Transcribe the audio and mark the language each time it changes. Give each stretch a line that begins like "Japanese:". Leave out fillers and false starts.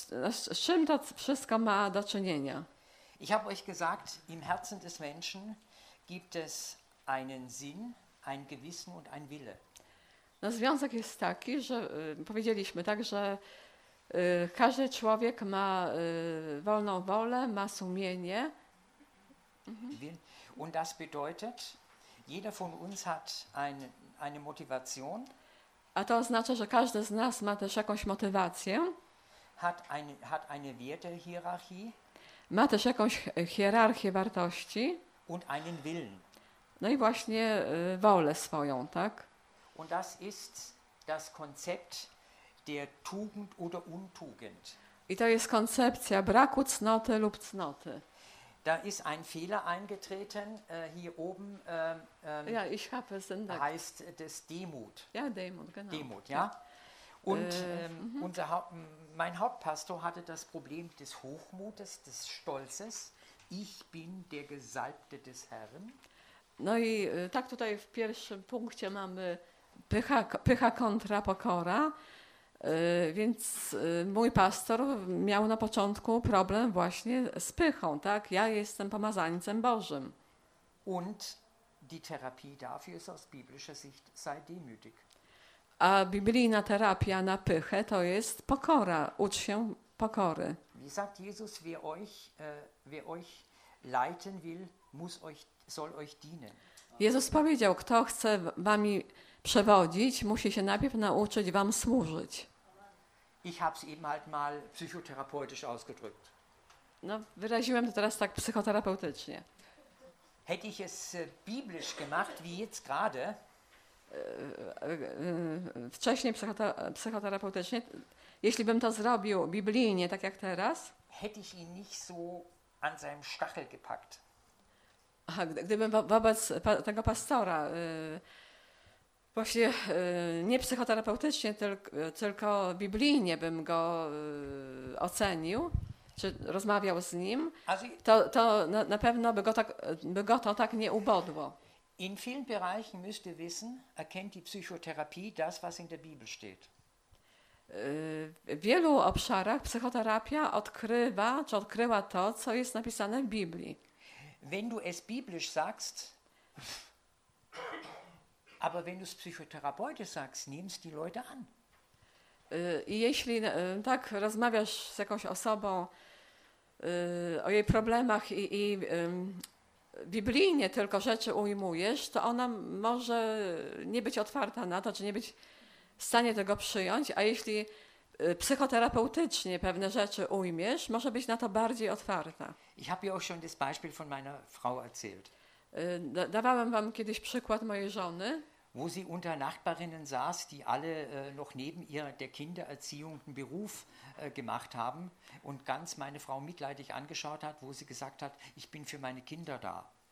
Polish: Z czym to wszystko ma do czynienia?
German: Ich habe euch gesagt, im Herzen des Menschen gibt es einen Sinn, ein Gewissen und ein Wille.
Polish: No, związek jest taki, że powiedzieliśmy tak, że każdy człowiek ma wolną wolę, ma sumienie. Mhm.
German: Und das bedeutet, jeder von uns hat eine Motivation.
Polish: A to oznacza, że każdy z nas ma też jakąś motywację.
German: Hat eine Wertehierarchie.
Polish: Ma też jakąś hierarchię wartości.
German: Und einen Willen.
Polish: No i właśnie wolę swoją, tak?
German: Und das ist das Konzept der Tugend oder Untugend.
Polish: I to jest koncepcja braku cnoty lub cnoty.
German: Da ist ein Fehler eingetreten hier oben. Ja, ich habe es entdeckt. Heißt das Demut. Ja, Demut, genau. Demut, ja. Und unser mein Hauptpastor hatte das Problem des Hochmutes, des Stolzes. Ich bin der Gesalbte des Herrn.
Polish: No i tak tutaj w pierwszym punkcie mamy pycha kontra pokora. Więc mój pastor miał na początku problem właśnie z pychą, tak? Ja jestem pomazańcem Bożym.
German: Und die Therapie dafür ist aus biblischer Sicht sei demütig.
Polish: A biblijna terapia na pychę to jest pokora. Ucz się pokory.
German: Wie sagt Jesus, wer euch leiten will, muss euch, soll euch dienen.
Polish: Jezus powiedział, kto chce wami przewodzić, musi się najpierw nauczyć wam służyć.
German: Ich hab's eben halt mal psychotherapeutisch ausgedrückt.
Polish: No, wyraziłem to teraz tak psychoterapeutycznie.
German: Hätte ich es biblisch gemacht, wie jetzt gerade.
Polish: Wcześniej psychoterapeutycznie, jeśli bym to zrobił biblijnie, tak jak teraz,
German: hätte ich ihn nicht so an seinem Stachel gepackt.
Polish: Aha, gdybym wobec tego pastora właśnie nie psychoterapeutycznie, tylko biblijnie bym go ocenił, czy rozmawiał z nim, to na pewno by go to tak nie ubodło.
German: In vielen Bereichen müsst ihr wissen, erkennt die Psychotherapie das, was in der Bibel steht.
Polish: W wielu obszarach psychoterapia odkrywa, czy odkryła to, co jest napisane w Biblii.
German: Wenn du es biblisch sagst, aber wenn du es psychotherapeutisch sagst, nimmst die Leute an.
Polish: Jeśli tak rozmawiasz z jakąś osobą o jej problemach i biblijnie tylko rzeczy ujmujesz, to ona może nie być otwarta na to, czy nie być w stanie tego przyjąć, a jeśli psychoterapeutycznie pewne rzeczy ujmiesz, może być na to bardziej otwarta.
German: Ich habe ja auch schon das Beispiel von meiner Frau erzählt.
Polish: Dawałem wam kiedyś przykład mojej żony,
German: wo sie unter Nachbarinnen saß, die alle noch neben ihr der Kindererziehung einen Beruf gemacht haben und ganz meine Frau mitleidig angeschaut hat, wo sie gesagt hat, ich bin für meine Kinder da.